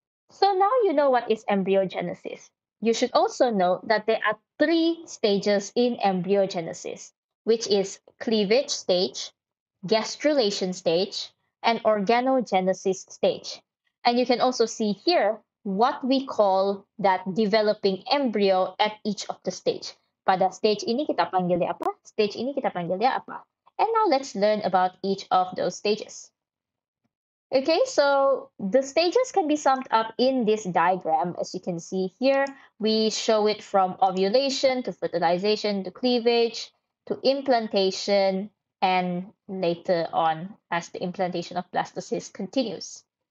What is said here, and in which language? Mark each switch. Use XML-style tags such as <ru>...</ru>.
<en>So now you know what is embryogenesis. You should also know that there are 3 stages in embryogenesis, which is cleavage stage, gastrulation stage, and organogenesis stage. And you can also see here what we call that developing embryo at each of the stage.</en> <ms>Pada stage ini kita panggilnya apa? Stage ini kita panggilnya apa?</ms> <en>And now let's learn about each of those stages. Okay, so the stages can be summed up in this diagram. As you can see here, we show it from ovulation to fertilization to cleavage to implantation and later on as the implantation of blastocyst continues.</en>